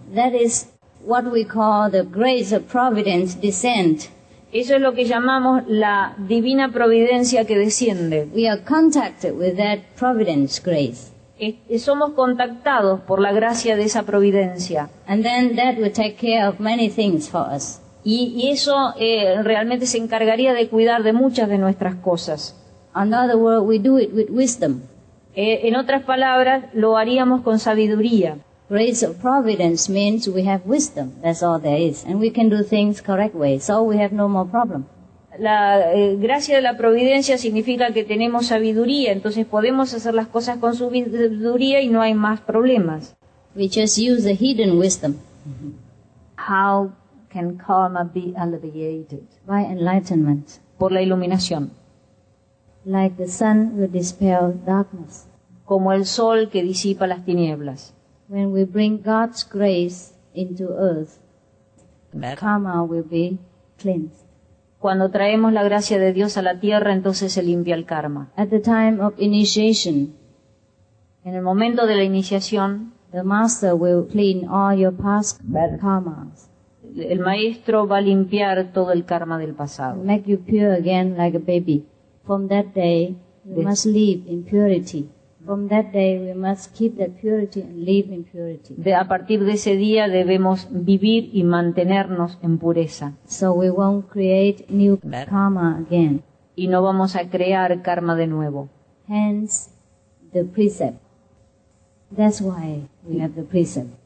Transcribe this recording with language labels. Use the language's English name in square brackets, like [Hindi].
[English] That is what we call the grace of providence descent. [Spanish] Eso es lo que llamamos la divina providencia que desciende. [English] We are contacted with that providence grace. [Spanish] Somos contactados por la gracia de esa providencia. [English] And then that will take care of many things for us. [Spanish] Y eso realmente se encargaría de cuidar de muchas de nuestras cosas. [English] In other words, we do it with wisdom. [Spanish] En otras palabras, lo haríamos con sabiduría. [English] Grace of providence means we have wisdom, that's all there is, and we can do things correct way, so we have no more problem. [Spanish] La gracia de la providencia significa que tenemos sabiduría, entonces podemos hacer las cosas con sabiduría y no hay más problemas. [English] We just use the hidden wisdom. How can karma be alleviated? By enlightenment. [Spanish] Por la iluminación. [English] Like the sun will dispel darkness. [Spanish] Como el sol que disipa las tinieblas. [English] When we bring God's grace into earth, karma will be cleansed. [Spanish] Cuando traemos la gracia de Dios a la tierra, entonces se limpia el karma. [English] At the time of initiation, [Spanish] en el momento de la iniciación, [English] the master will clean all your past karmas. [Spanish] El maestro va a limpiar todo el karma del pasado. [English] Make you pure again like a baby. From that day, you must live in purity. From that day, we must keep that purity and live in purity. [Spanish] A partir de ese día debemos vivir y mantenernos en pureza. [English] So we won't create new karma again. [Spanish] Y no vamos a crear karma de nuevo. [English] Hence, the precept. That's why we have the precept.